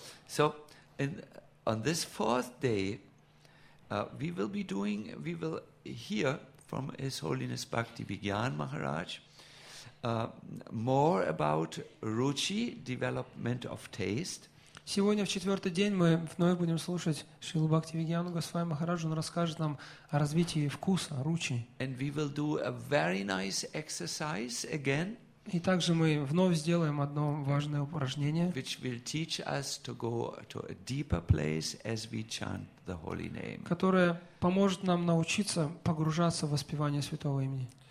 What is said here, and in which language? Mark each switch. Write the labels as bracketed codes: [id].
[en] So, on this fourth day, we will hear from His Holiness Bhakti Vigyan Maharaj more about ruchi, development of taste. [ru] Сегодня в четвертый день мы вновь будем слушать Шрилу Бхакти Вигьяну Госвами Махараджу. Он расскажет нам о развитии вкуса, ручи. [en] And we will do a very nice exercise again. [ru] И также мы вновь сделаем одно важное упражнение, которое поможет нам научиться погружаться в воспевание святого имени.